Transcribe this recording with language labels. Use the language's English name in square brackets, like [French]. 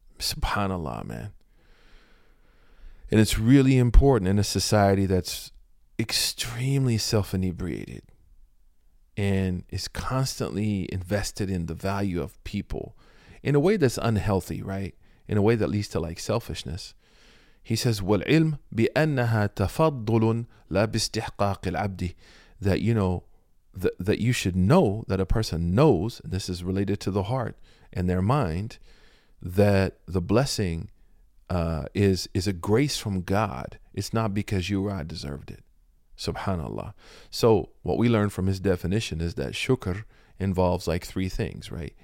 [English] SubhanAllah, man. And it's really important in a society that's extremely self-inebriated and is constantly invested in the value of people in a way that's unhealthy, right? In a way that leads to like selfishness. He says, [Arabic] وَالْعِلْمْ بِأَنَّهَا تَفَضُّلٌ لَا بِاسْتِحْقَاقِ الْعَبْدِ. [English] That, you know, that you should know that a person knows, and this is related to the heart and their mind, that the blessing is a grace from God. It's not because you or I deserved it. SubhanAllah. So what we learn from his definition is that shukr involves like three things, right?